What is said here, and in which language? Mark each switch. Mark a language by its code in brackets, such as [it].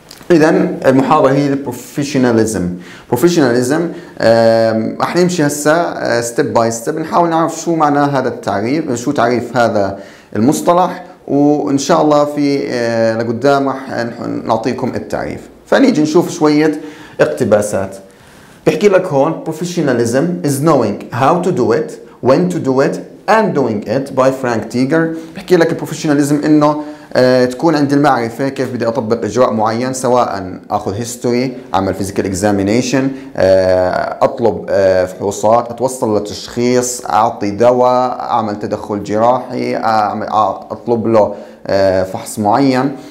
[ar] إذن المحاضرة هي البروفيشناليزم. بروفيشناليزم راح نمشي هسه ستيب باي ستيب، نحاول نعرف شو معنى هذا التعريف، شو تعريف هذا المصطلح، وإن شاء الله في لقدام راح نعطيكم التعريف. فنيجي نشوف شوية اقتباسات. بحكي لك هون بروفيشناليزم [en] is knowing how to do it, when to do it and doing it by Frank Tiger. [ar] بحكي لك البروفيشناليزم إنه تكون عندي المعرفة كيف بدي أطبق إجراء معين، سواء أخذ هيستوري، أعمل فيزيكال إكزامينيشن، أطلب فحوصات، أتوصل لتشخيص، أعطي دواء، أعمل تدخل جراحي، أطلب له فحص معين.